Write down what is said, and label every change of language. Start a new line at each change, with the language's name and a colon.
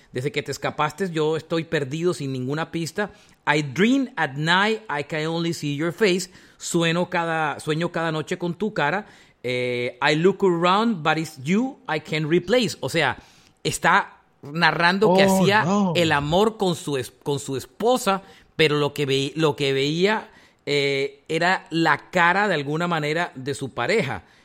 Spanish: Desde que te escapaste, yo estoy perdido sin ninguna pista.
English: I dream at night, I can only see your face.
Spanish: Sueño cada noche con tu cara.
English: I look around, but it's you I can replace.
Spanish: O sea, está narrando que hacía el amor con su esposa, pero lo que veía... era la cara de alguna manera de su pareja.